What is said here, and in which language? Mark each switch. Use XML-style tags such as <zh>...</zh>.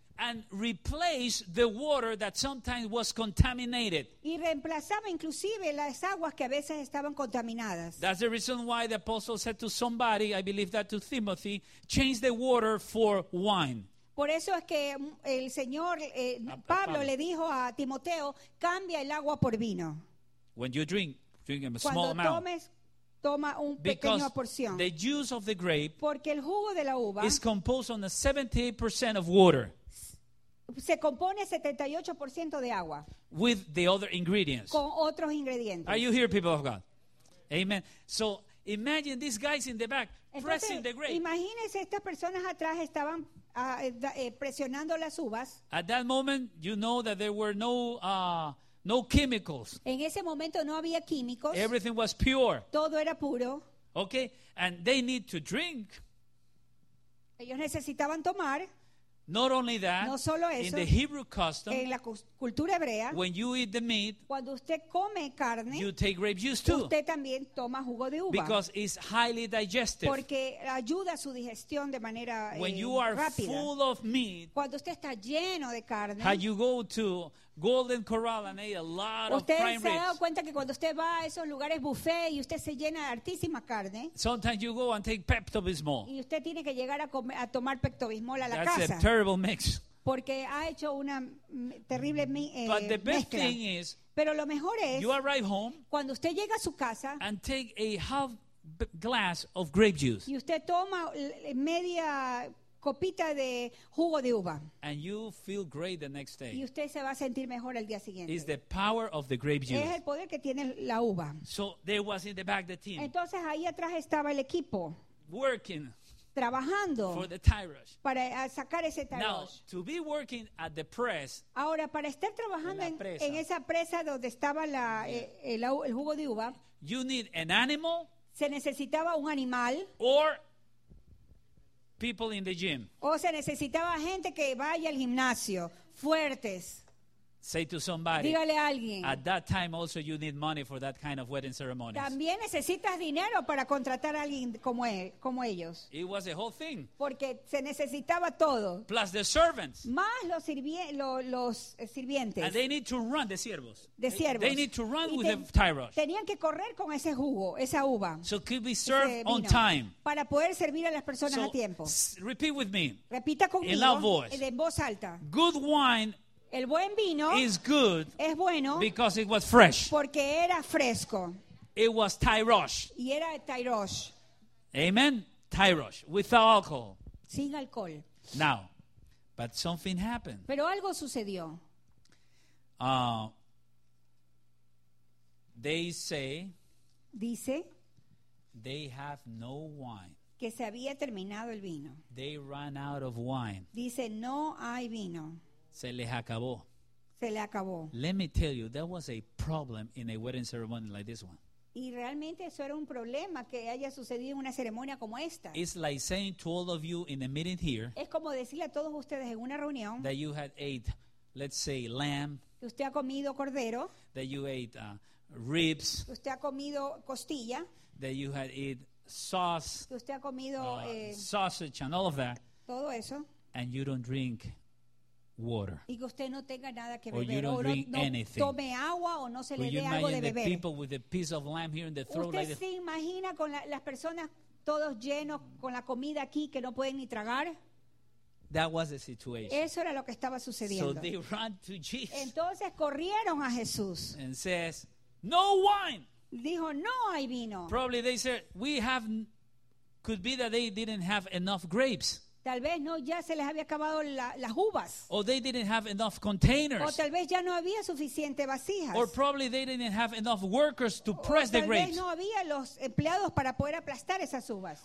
<en>And replace the water that sometimes was contaminated.</en> <es>Y reemplazaba inclusive las aguas que a veces estaban contaminadas.</es> <en>That's the reason why the apostle said to somebody, I believe that to Timothy, change the water for wine.</en> <es>Por eso es que el Señor Pablo le dijo a Timoteo, cambia el agua por vino.</es> <en>When you drink a small amount.</en> <es>Toma un</es> <en>because</en> <es>pequeña porción.</es> <en>The juice of the grape</en> <es>porque el jugo de la uva</es> <en>is composed on 78% of water.</en> <es>Se compone 78% de agua.</es> <en>With the other ingredients.</en> <es>Con otros ingredientes.</es> <en>Are you here, people of God? Amen. So imagine these guys in the back pressing the grape.</en> <es>Imagínense estas personas atrás estaban presionando las uvas.</es> <en>At that moment, you know that there were no chemicals.</en> <es>En ese momento no había químicos.</es> <en>Everything was pure.</en> <es>Todo era puro.</es> <en>Okay, and they need to drink.</en> <es>Ellos necesitaban tomar.</es> <en>Not only that,</en> <es>no solo eso,</es> <en>in the Hebrew custom,</en> <es>en la cultura hebrea,</es> <en>when you eat the meat,</en> <es>cuando usted come carne,</es> <en>you take grape juice too.</en> <es>Usted también toma jugo de uva.</es> <en>Because it's highly digestive.</en> <es>Porque ayuda a su digestión de manera rápida.</es> <en>When you are full of meat,</en> <es>cuando usted está lleno de carne,</es> <en>how you go to Golden Corral and ate a lot of prime ribs.</en> <es>Usted se ha dado cuenta que cuando usted va a esos lugares buffet y usted se llena de hartísima carne.</es> <en>Sometimes you go and take Pepto Bismol.</en> <es>Y usted tiene que llegar a tomar Pepto Bismol a la casa.</es> <en>That's a terrible mix.</en> <es>Porque ha hecho una terrible mezcla.</es> <en>But the best thing is,</en> <es>pero lo mejor es,</es> <en>you arrive home,</en> <es>cuando usted llega a su casa,</es> <en>and take a half glass of grape juice.</en> <es>Y usted toma media copita de jugo de uva.</es> <en>And you feel great the next day.</en> <es>Y usted se va a sentir mejor el día siguiente.</es> <en>It's the power of the grape juice.</en> <es>Es el poder que tiene la uva.</es> <en>So there was in the back the team.</en> <es>Entonces ahí atrás estaba el equipo.</es> <en>Working.</en> <es>Trabajando.</es> <en>For the tie rush.</en> <es>Para sacar ese tie</es> <en>now, rush. To be working at the press.</en> <es>Ahora para estar trabajando en esa presa donde estaba la, yeah, el jugo de uva.</es> <en>You need an animal.</en> <es>Se necesitaba un animal.</es> <en>Or people in the gym.</en> <es>O se necesitaba gente que vaya al gimnasio, fuertes.</es> <en>Say to somebody.</en> <es>Dígale a alguien.</es> <en>At that time also you need money for that kind of wedding ceremonies.</en> <es>También necesitas dinero para contratar a alguien como ellos.</es> <en>It was a whole thing.</en> <es>Porque se necesitaba todo.</es> <en>Plus the servants.</en> <es>Más los sirvientes.</es> <en>And they need to run the siervos.</en> <es>De siervos.</es> <en>They need to run with the tie rush.</en> <es>Tenían que correr con ese jugo, esa uva.</es> <en>So could be served on time.</en> <es>Para poder servir a las personas</es> <en>so,</en> <es>a tiempo.</es> <en>Repeat with me.</en> <es>Repita conmigo.</es> <en>In loud voice.</en> <es>En voz alta.</es> <en>Good wine.</en> <es>El buen vino</es> <en>is good</en> <es>es bueno</es> <en>because it was fresh.</en> <es>Porque era fresco.</es> <en>It was tairosh.</en> <es>Y era tairosh.</es> <en>Amen? Tairosh. Without alcohol.</en> <es>Sin alcohol.</es> <en>Now, but something happened.</en> <es>Pero algo sucedió.</es> <en>They say</en> <es>dice</es> <en>they have no wine.</en> <es>Que se había terminado el vino.</es> <en>They ran out of wine.</en> <es>Dice no hay vino. Se les acabó. Se le acabó.</es> <en>Let me tell you, that was a problem in a wedding ceremony like this one.</en> <es>Y realmente eso era un problema que haya sucedido en una ceremonia como esta.</es> <en>It's like saying to all of you in a meeting here.</en> <es>Es como decirle a todos ustedes en una reunión.</es> <en>That you had ate, let's say, lamb.</en> <es>Que usted ha comido cordero.</es> <en>That you ate ribs.</en> <es>Que usted ha comido costilla.</es> <en>That you had ate sauce.</en> <es>Que usted ha comido</es> <en>sausage and all of that.</en> <es>Todo eso.</es> <en>And you don't drink water.</en> <es>Y que usted no tenga nada que</es> <en>or</en> <es>beber,</es> <en>you don't</en> <es>o</es> <en>drink</en> <es>no</es> <en>anything.</en> <es>Tome agua o no se</es> <en>Will</en> <es>le dé algo de beber.</es> <en>The people with a piece of lamb here in the throat</en> <es>usted</es> <en>like</en> <es>se imagina con las personas todos llenos con la comida aquí que no pueden ni tragar.</es> <en>That was the situation.</en> <es>Eso era lo que estaba sucediendo.</es> <en>So they ran to Jesus.</en> <es>Entonces corrieron a Jesús.</es> <en>And says, no wine.</en> <es>Dijo, no hay vino.</es> <en>Probably they said, could be that they didn't have enough grapes.</en> <es>Tal vez no, ya se les había acabado las uvas.</es> <en>Or they didn't have enough containers.</en> <es>O tal vez ya no había suficiente vasijas.</es> <en>Or probably they didn't have enough workers to press the grapes.</en> <es>O tal vez no había los empleados para poder aplastar esas uvas.</es>